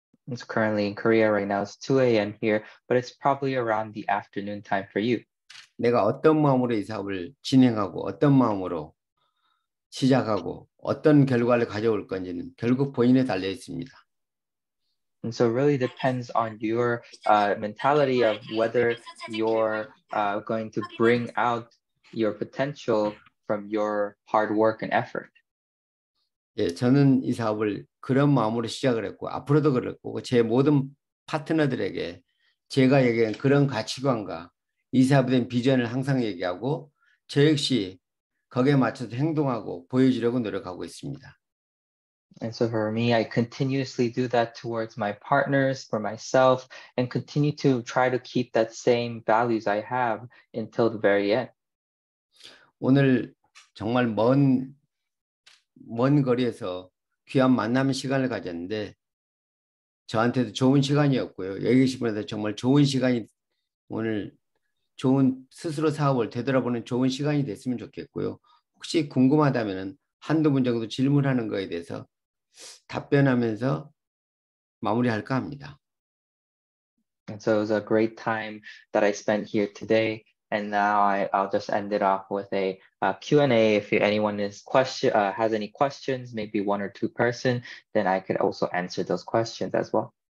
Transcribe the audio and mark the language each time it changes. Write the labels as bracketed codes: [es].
[en] It's currently in Korea right now. It's 2 a.m. here, but it's probably around the afternoon time for you. [ko] 내가 어떤 마음으로 이 사업을 진행하고 어떤 마음으로 시작하고 어떤 결과를 가져올 건지는 결국 본인에 달려 있습니다. [en] And so it really depends on your mentality of whether you're going to bring out your potential from your hard work and effort. [ko] 예, 저는 이 사업을 그런 마음으로 시작을 했고 앞으로도 그럴 거고 제 모든 파트너들에게 제가 얘기한 그런 가치관과 이 사업에 대한 비전을 항상 얘기하고 저 역시 거기에 맞춰서 행동하고 보여주려고 노력하고 있습니다. [en] And so for me, I continuously do that towards my partners, for myself, and continue to try to keep that same values I have until the very end. [ko] 오늘 정말 먼 거리에서 귀한 만남 시간을 가졌는데 저한테도 좋은 시간이었고요. 여기 계신 분들 정말 좋은 시간이 오늘 좋은 스스로 사업을 되돌아보는 좋은 시간이 됐으면 좋겠고요. 혹시 궁금하다면은 한두 분 정도 질문하는 거에 대해서 답변하면서 마무리할까 합니다. [en] And so it was a great time that I spent here today, and now I'll just end it off with a Q&A. If anyone has any questions, maybe one or two person, then I could also answer those questions as well.